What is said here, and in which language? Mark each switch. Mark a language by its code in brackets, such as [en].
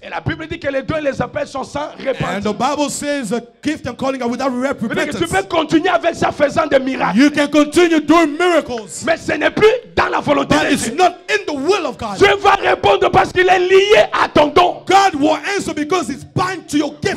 [fr] Et la Bible dit que les dons et les appels sont sans repentance. [en] And the Bible says a gift and calling are without repentance. [fr] Tu peux continuer avec ça faisant des miracles. [en] You can continue doing miracles. [fr] Mais ce n'est plus dans la volonté de Dieu. [en] But it's not in the will of God. [fr] Dieu va répondre parce qu'il est lié à ton don. [en] God will answer because it's bound to your gift.